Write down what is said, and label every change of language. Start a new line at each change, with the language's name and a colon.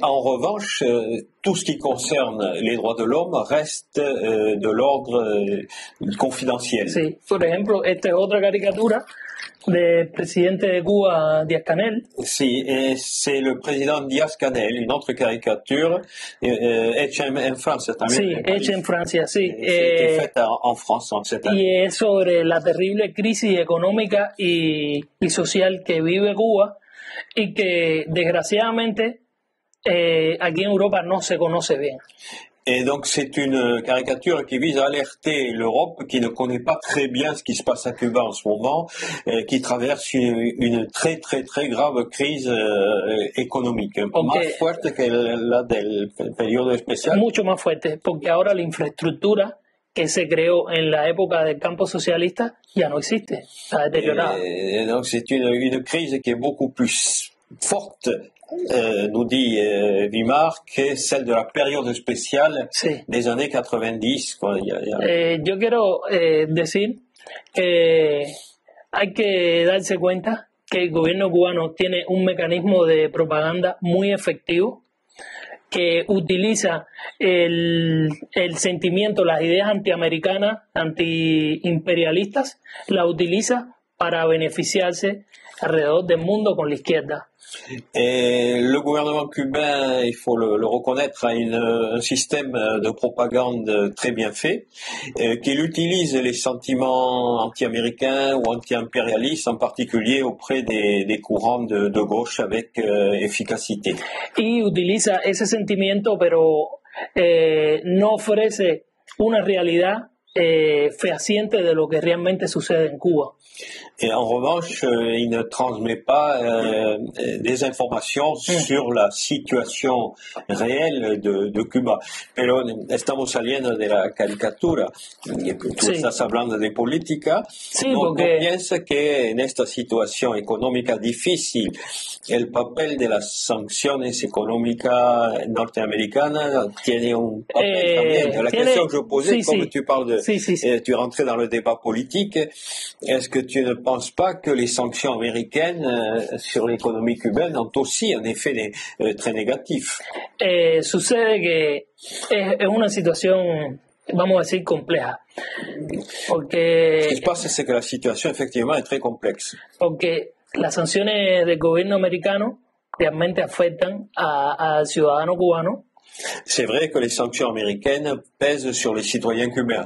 French: en revanche, tout ce qui concerne les droits de l'homme reste de l'ordre confidentiel.
Spanish: Sí, por ejemplo, esta es otra caricatura del presidente de Cuba, Díaz-Canel.
French: Sí, et c'est le président Díaz-Canel, une autre caricature, en France,
Spanish: también Sí, en hecha en París, Francia, sí.
French: c'était faite en France en cette
Spanish: Y
French: année.
Spanish: es sobre la terrible crisis económica y social que vive Cuba y que desgraciadamente aquí en Europa no se conoce bien.
French: Et donc, c'est une caricature qui vise à alerter l'Europe, qui ne connaît pas très bien ce qui se passe à Cuba en ce moment, et qui traverse une très, très, très grave crise économique, más
Spanish: Porque fuerte que la del periodo especial. mucho más fuerte, porque ahora la infraestructura que se creó en la época del campo socialista ya no existe, está deteriorada.
French: Et donc, c'est une crise qui est beaucoup plus forte. Nous dit Vimar, que celle de la période spéciale
Spanish: Sí.
French: des années 90, quoi.
Spanish: Yo quiero decir que hay que darse cuenta que el gobierno cubano tiene un mecanismo de propaganda muy efectivo que utiliza el sentimiento, las ideas antiamericanas, antiimperialistas, la utiliza para beneficiarse alrededor del mundo con la izquierda.
French: Et le gouvernement cubain, il faut le reconnaître, a un système de propagande très bien fait, qu'il utilise les sentiments anti-américains ou anti-impérialistes, en particulier auprès des courants de gauche avec efficacité.
Spanish: Y utiliza ese sentimiento, pero no ofrece una realidad fehaciente de lo que realmente sucede en Cuba.
French: Et en revanche, il ne transmet pas des informations sur la situation réelle de Cuba.
Spanish: Pero estamos saliendo de la caricatura. Tú Sí. estás hablando de política. Sí, No, no porque piensa que en esta situación económica difícil, el papel de las sanciones económicas norteamericanas tiene un papel también.
French: La question que
Spanish: tiene
French: je posais, comme tu parles de,
Spanish: sí.
French: tu rentrais dans le débat politique, est-ce que tu ne penses pas que les sanctions américaines sur l'économie cubaine ont aussi un effet très négatif?
Spanish: Sucede que es una situación vamos a decir, compleja. Porque,
French: ce qui se passe, c'est que la situation, effectivement, est très complexe.
Spanish: Porque las sanciones del gobierno americano realmente afectan al ciudadano cubano.
French: C'est vrai que les sanctions américaines pèsent sur les citoyens cubains.